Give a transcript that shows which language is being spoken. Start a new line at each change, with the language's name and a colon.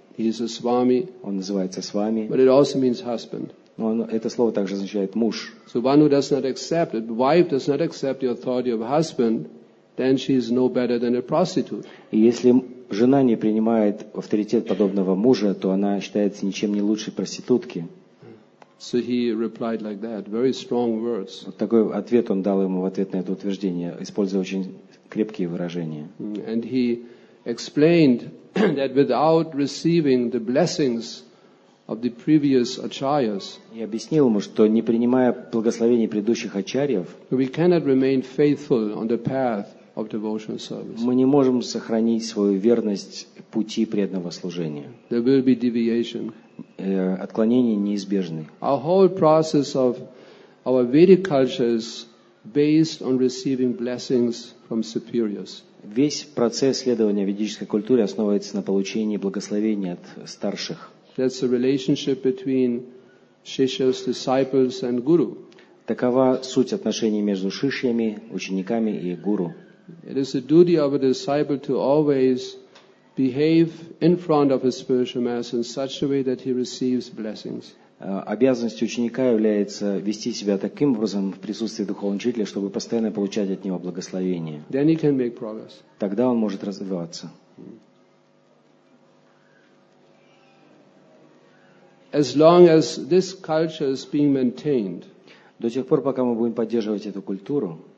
English: He is a Swami.
Russian: Он называется Свами.
English: But it also means husband.
Russian: Но это слово также означает муж.
English: So one who does not accept it, wife does not accept the authority of husband, then she is no better than a prostitute.
Russian: И если жена не принимает авторитет подобного мужа, то она считается ничем не лучше проститутки.
English: So he replied like that, very strong words.
Russian: Вот такой ответ он дал ему в ответ на это утверждение, используя очень крепкие выражения.
English: And he explained that without receiving the blessings of the previous acharyas,
Russian: и объяснил ему, что не принимая благословений предыдущих ачарьев,
English: we cannot remain faithful on the path of devotional service.
Russian: Мы не можем сохранить свою верность пути преданного служения.
English: There will be deviation.
Russian: Отклонения неизбежны.
English: Our whole process of our Vedic culture is based on receiving blessings from superiors.
Russian: Весь процесс следования ведической культуре основывается на получении благословений от старших.
English: That's the relationship between shishyas, disciples and guru.
Russian: Такова суть отношений между шишьями, учениками и гуру.
English: It is the duty of a disciple to always behave in front of his spiritual master in such a way that he receives blessings.
Russian: Обязанность ученика является вести себя таким образом в присутствии духовного учителя, чтобы постоянно получать от него благословение.
English: Then he can make progress.
Russian: Тогда он может развиваться.
English: As long as this culture is being maintained,
Russian: до тех пор, пока мы будем поддерживать эту культуру,